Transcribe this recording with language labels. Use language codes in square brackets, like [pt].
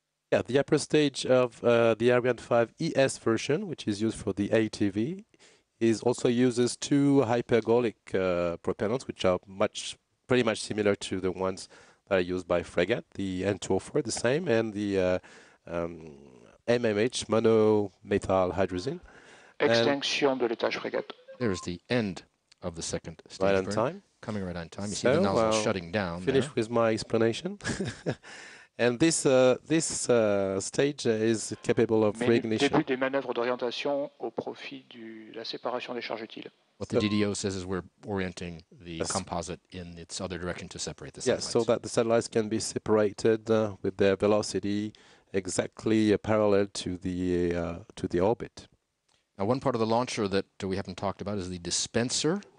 [en] Yeah, the upper stage of the Ariane 5 ES version, which is used for the ATV, is also uses two hypergolic propellants, which are pretty much similar to the ones that are used by Frigate, the N204, the same, and the MMH, monomethylhydrazine. [fr] Extinction de l'étage Frigate. [en] There's the end of the second stage. Right burn, on time. Coming right on time. You see the nozzle shutting down. Finish with my explanation. And this stage is capable of re-ignition. [fr] Début des manœuvres d'orientation au profit de la séparation des charges utiles. [en] What the DDO says is we're orienting the composite in its other direction to separate the satellites. Yes, so that the satellites can be separated with their velocity exactly parallel to the orbit. Now, one part of the launcher that we haven't talked about is the dispenser.